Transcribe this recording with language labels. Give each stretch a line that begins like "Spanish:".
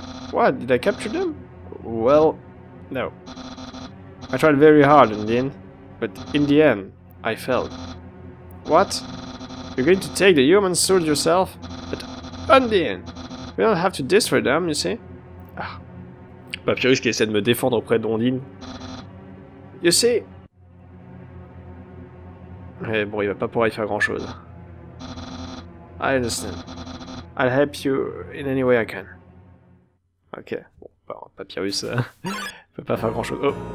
English: What, did I capture them? Well, no. I tried very hard, Undine, but in the end, I failed. What? You're going to take the human sword yourself? But Undine, we don't have to destroy them, you see? Ah.
French: Papyrus qui essaie de me défendre auprès d'Undine.
English: You see?
French: Mais bon, il va pas pouvoir y faire grand chose.
English: I understand. I'll help you in any way I can. Ok.
French: Bon, bah, Papyrus, il peut pas faire grand chose.